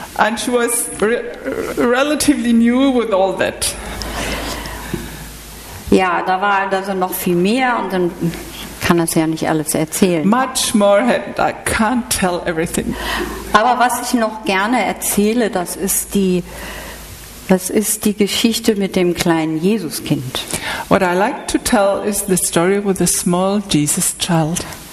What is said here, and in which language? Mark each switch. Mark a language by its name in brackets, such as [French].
[English] And she was relatively new with all that. [German] Ja, da war also noch viel mehr und dann kann das ja nicht alles erzählen. [English] Much more happened. I can't tell everything. [German] Aber was ich noch gerne erzähle, das ist die Geschichte mit dem kleinen Jesuskind. [English] What I like to tell is the story with the small Jesus child.